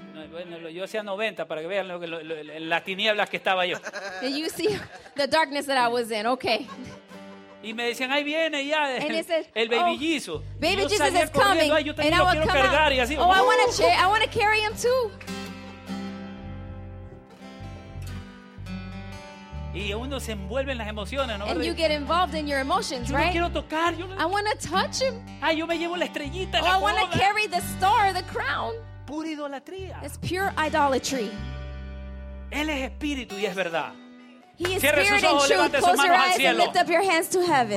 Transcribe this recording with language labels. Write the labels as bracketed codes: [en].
[es] Bueno, yo hacía 90 para que vean lo, las tinieblas que estaba yo. [en] Did you see the darkness that I was in? Okay. [es] Y me decían, ahí viene ya el [en] baby Jesus. Baby Jesus is coming. And I would come out. [es] Y así, [en] oh, I want to share. I want to carry him too. [es] Y uno se envuelve en las emociones, ¿no? [en] And you get involved in your emotions, right? [es] Yo lo quiero tocar. [en] I want to touch him. [es] Ay, yo me llevo la estrellita. [en] Oh, I want to carry the star, the crown. [es] Pura idolatría. [en] It's pure idolatry. [es] Él es espíritu y es verdad. [en] He is spirit and truth. Close your eyes and lift up your hands to heaven.